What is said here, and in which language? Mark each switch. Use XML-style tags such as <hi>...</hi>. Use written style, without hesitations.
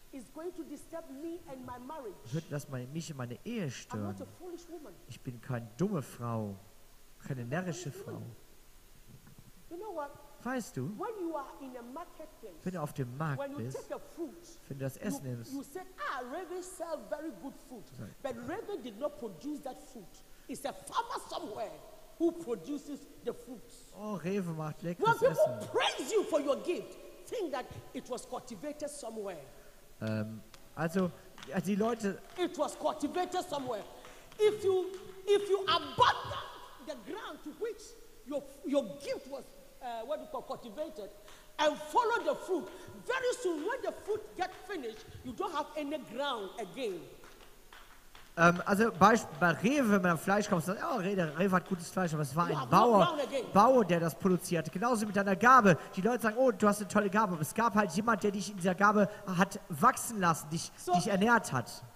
<en>is going to disturb me and my marriage.</en> <de>Wird das mich in meine Ehe stören?</de> <en>I'm not a foolish woman.</en> <de>Ich bin keine dumme Frau, keine närrische Frau.</de> <en>You know what?</en> <de>Weißt du,</de> <en>when you are in a marketplace,</en> <de>wenn du auf dem Markt</de> <en>when you</en> <de>bist,</de> <en>take a fruit,</en> <de>wenn du das Essen nimmst,</de> <en>you said, ah, Raven sells very good fruit. But Raven did not produce that fruit. It's a farmer somewhere who produces the fruits.</en> <de>Oh, Raven macht leckeres</de> <en>when people</en> <de>Essen.</de> <en>Praise you for your gift, think that it was cultivated somewhere.</en> <de>Also die Leute,</de> <en>it was cultivated somewhere. If you abandon the ground to which your gift was what you call cultivated and follow the fruit, very soon when the fruit get finished, you don't have any ground again.</en> <de>Also bei Rewe, wenn man Fleisch kauft, sagt, oh, Rewe hat gutes Fleisch, aber es war ein Bauer, der das produzierte. Genauso mit deiner Gabe. Die Leute sagen, oh, du hast eine tolle Gabe. Aber es gab halt jemand, der dich in dieser Gabe hat wachsen lassen, dich ernährt hat.</de>